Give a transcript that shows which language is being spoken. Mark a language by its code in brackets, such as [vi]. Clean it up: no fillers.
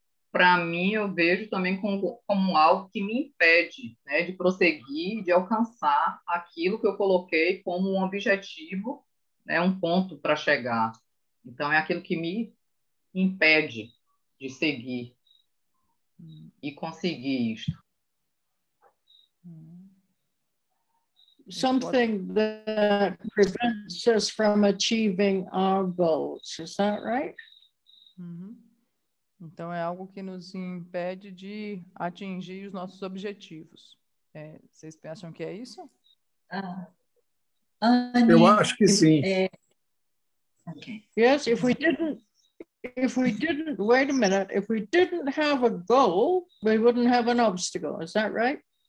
[pt] Para mim, eu vejo também como algo que me impede, né, de prosseguir, de alcançar aquilo que eu coloquei como um objetivo, né, um ponto para chegar. Então, é aquilo que me impede de seguir e conseguir isto. [en] Something that prevents us from achieving our goals, is that right? Uhum. [pt] Então, é algo que nos impede de atingir os nossos objetivos. É, vocês pensam que é isso? Eu acho que sim. [en] Okay. Yes, if we didn't have a goal, we wouldn't have an obstacle. Is that right?